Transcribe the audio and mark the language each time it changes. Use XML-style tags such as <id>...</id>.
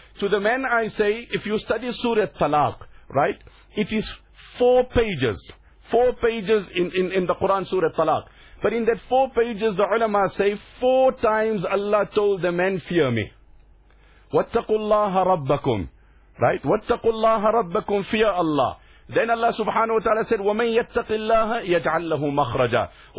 <en>To the men I say, if you study Surah Talaq, right, it is four pages in the Quran Surah Talaq. But in that 4 pages, the ulama say, 4 times Allah told the men, fear me.</en> <ar>وَاتَّقُوا اللَّهَ رَبَّكُمْ.</ar> <en>Right?</en> <ar>وَاتَّقُوا اللَّهَ رَبَّكُمْ,</ar> <en>fear Allah. Then Allah subhanahu wa ta'ala said,</en> <ar>وَمَنْ يَتَّقِ اللَّهَ يَجْعَلْ لَهُ مَخْرَجًا.</ar>